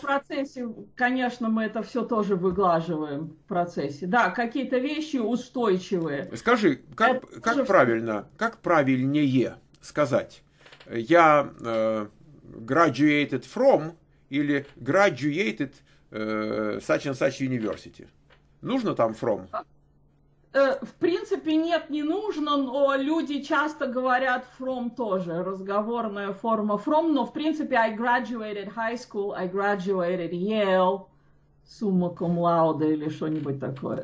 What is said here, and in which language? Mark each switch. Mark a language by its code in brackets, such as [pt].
[ru] процессе, конечно, мы это все тоже выглаживаем в процессе. Да, какие-то вещи устойчивые. Скажи, Это тоже все. как правильнее сказать? [en] Я graduated from или graduated such and such university? [ru] Нужно там from? В принципе, нет, не нужно, но люди часто говорят from тоже, разговорная форма from, но в принципе [en] I graduated high school, I graduated Yale, [ru] summa cum laude или что-нибудь такое,